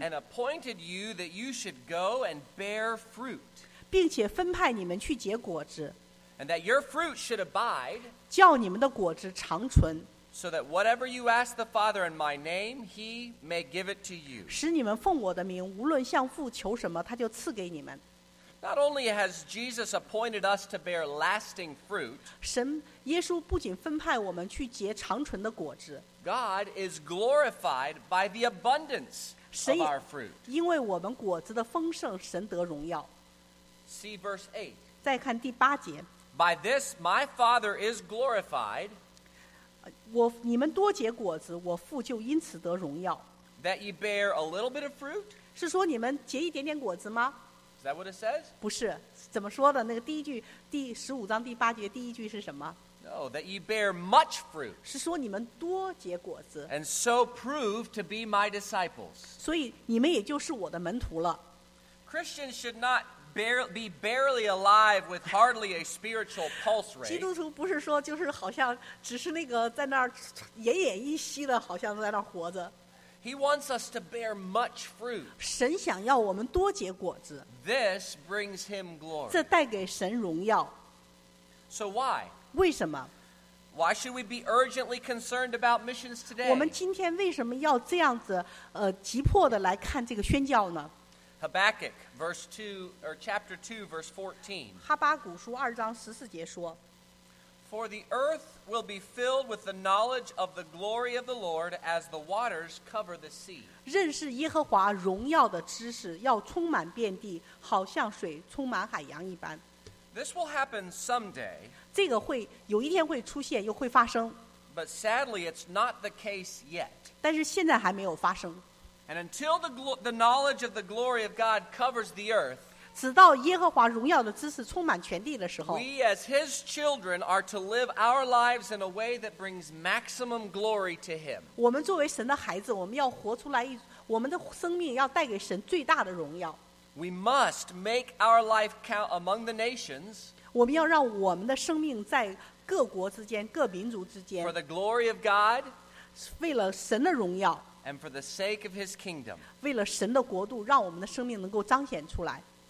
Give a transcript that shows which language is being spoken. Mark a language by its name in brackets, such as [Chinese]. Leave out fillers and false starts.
[English] And appointed you that you should go and bear fruit. [Chinese] 并且分派你们去结果子。 [English] And that your fruit should abide. [Chinese] 叫你们的果子长存。 [English] So that whatever you ask the Father in my name, he may give it to you. [Chinese] 使你们奉我的名，无论向父求什么，他就赐给你们。 [English] Not only has Jesus appointed us to bear lasting fruit, [Chinese] 神耶稣不仅分派我们去结长存的果子。 [English] God is glorified by the abundance of our fruit. [Chinese] 因为我们果子的丰盛，神得荣耀。 [English] See verse 8. [Chinese] 再看第八节。 [English] By this, my Father is glorified. [Chinese] 你们多结果子，我父就因此得荣耀。 [English] That you bear a little bit of fruit? [Chinese] 是说你们结一点点果子吗？ [English] Is that what it says? [Chinese] 不是，怎么说的？那个第一句，第十五章第八节第一句是什么 [English] ？No, that you bear much fruit. [Chinese] 是说你们多结果子。 [English] And so prove to be my disciples. [Chinese] 所以你们也就是我的门徒了。 [English] Christians should not be barely alive with hardly a spiritual pulse rate. [Chinese] 基督徒不是说就是好像只是那个在那儿奄奄一息的，好像在那儿活着。 [English] He wants us to bear much fruit. [Chinese] 神想要我们多结果子。 [English] This brings him glory. [Chinese] 这带给神荣耀。 [English] So why? [Chinese] 为什么？ [English] Why should we be urgently concerned about missions today? [Chinese] 我们今天为什么要这样子急迫的来看这个宣教呢？ [English] Habakkuk, verse 2, or chapter 2, verse 14. [Chinese] 哈巴谷书2章14节 说, [English] For the earth will be filled with the knowledge of the glory of the Lord as the waters cover the sea. [Chinese] 认识耶和华荣耀的知识要充满遍地, 好像水充满海洋一般。 [English] This will happen someday. [Chinese] 这个会有一天会出现, 又会发生。 [English] But sadly, it's not the case yet. [Chinese] 但是现在还没有发生。 [English] And until the knowledge of the glory of God covers the earth, [Chinese] 直到耶和华荣耀的知识充满全地的时候, [English] we as his children are to live our lives in a way that brings maximum glory to him. [Chinese] 我们作为神的孩子, 我们要活出来, 我们的生命要带给神最大的荣耀。 [English] We must make our life count among the nations. [Chinese] 我们要让我们的生命在各国之间, 各民族之间, [English] for the glory of God, [Chinese] 为了神的荣耀, [English] and for the sake of his kingdom. [Chinese] 为了神的国度, 让我们的生命能够彰显出来。